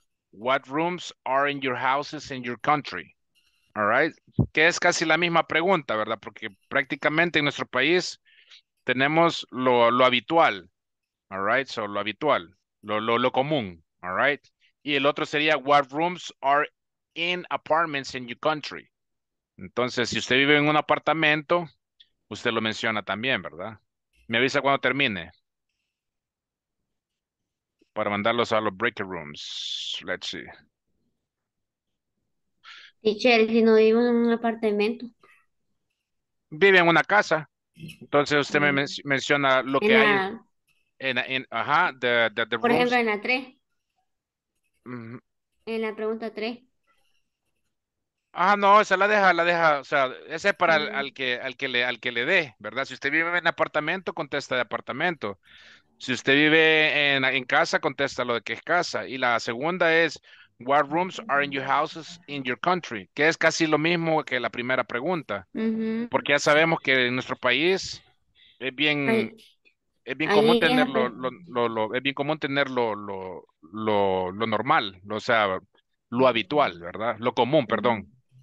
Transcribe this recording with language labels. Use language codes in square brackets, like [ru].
[en] What rooms are in your houses in your country? All right. [es] Que es casi la misma pregunta, ¿verdad? Porque prácticamente en nuestro país tenemos lo habitual. [en] All right. [es] So lo habitual, lo común. All right. Y el otro sería, [en] what rooms are in apartments in your country? [es] Entonces, si usted vive en un apartamento, usted lo menciona también, ¿verdad? Me avisa cuando termine. Para mandarlos a los breaker rooms. [en] Let's see. [es] Teacher, si no vive en un apartamento. Vive en una casa. Entonces, usted me menciona lo que hay. Por [en] rooms. [es] Ejemplo, en la 3. En la pregunta 3. Ah, no, esa la deja, o sea, ese es para al que le dé, ¿verdad? Si usted vive en apartamento, contesta de apartamento. Si usted vive en casa, contesta lo de que es casa. Y la segunda es, [en] what rooms are in your houses in your country? [es] Que es casi lo mismo que la primera pregunta. Uh-huh. Porque ya sabemos que en nuestro país es bien común tener lo normal, o sea, lo habitual, ¿verdad? Lo común, perdón.